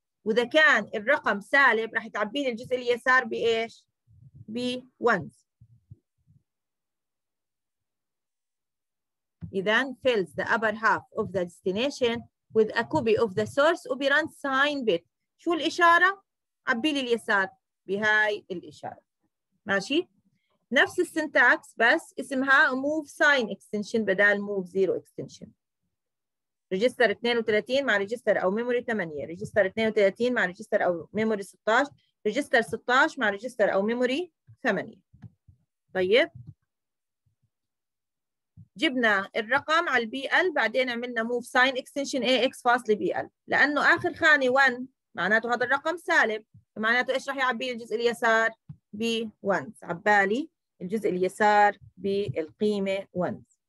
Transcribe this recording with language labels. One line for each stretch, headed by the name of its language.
Arabic: وإذا كان الرقم سالب راح تعبي لي الجزء اليسار بإيش؟ ب 1.
English: Then fills the upper half of the destination with a copy of the source operand sign bit.
Arabic: شو الإشارة؟ عبي لي اليسار بهاي الإشارة. ماشي؟ نفس
English: syntax
Arabic: بس اسمها
English: move sign extension
Arabic: بدال
English: move zero extension. register 32 مع register أو memory 8. register 32 مع register أو memory 16. register 16 مع register أو memory 8.
Arabic: طيب؟ جبنا الرقم على البي ال، بعدين عملنا موف ساين اكستنشن اي اكس فاصل بي ال، لانه اخر خانه 1 معناته هذا الرقم سالب، معناته ايش راح يعبي الجزء اليسار ب 1، عبالي الجزء اليسار بالقيمه 1.